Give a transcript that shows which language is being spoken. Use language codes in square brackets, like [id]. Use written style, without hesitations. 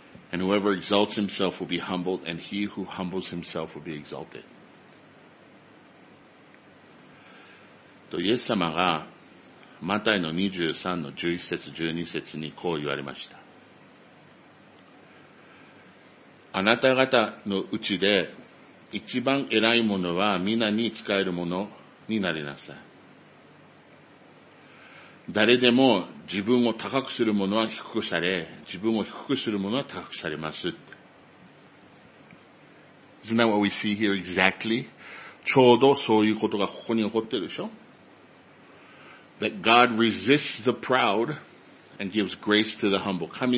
[en] And whoever exalts himself will be humbled, and he who humbles himself will be exalted. [ja] とイエス様がマタイの 23の 11節 12節にこう言われました。あなた方のうちで一番偉いものは皆に仕えるものになりなさい。誰でも自分を高くするものは低くされ、自分を低くするものは高くされます。Isn't [en] that what we see here exactly? [ja] ちょうどそういうことがここに起こってるでしょ。 [en] That God resists the proud and gives grace to the humble.